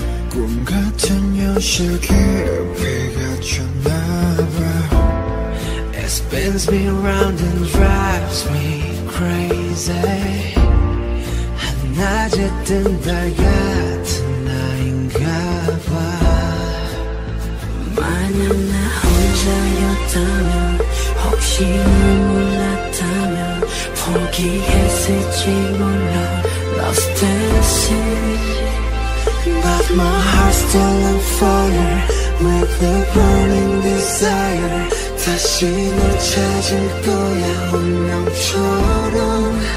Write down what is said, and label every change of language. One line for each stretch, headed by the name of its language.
Korean: 꿈 같은 현실 깊이 갇혔나 봐.
English: It spins me round and drives me crazy.
Korean: 낮에 뜬 달 같은 나인가 봐. 만약 나 혼자였다면 혹시 눈물났다면 포기했을지 몰라.
English: Lost at sea, but my heart's still on fire with the burning desire.
Korean: 다시 널 찾을 거야 운명처럼.